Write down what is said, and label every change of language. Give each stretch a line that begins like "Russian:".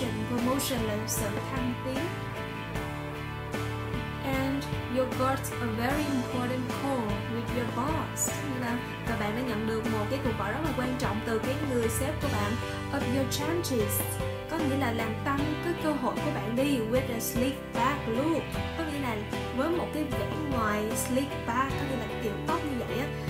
Vietnamese: Promotion là sự thăng tiến.
English: And you got a very important call with your boss.
Vietnamese: Và bạn đã nhận được một cái cuộc gọi rất là quan trọng từ cái người sếp của bạn.
English: Up your chances,
Vietnamese: có nghĩa là làm tăng cái cơ hội của bạn đi.
English: With a slick back look,
Vietnamese: có nghĩa là với một cái vẻ ngoài slick back, có nghĩa là kiểu tóc như vậy á.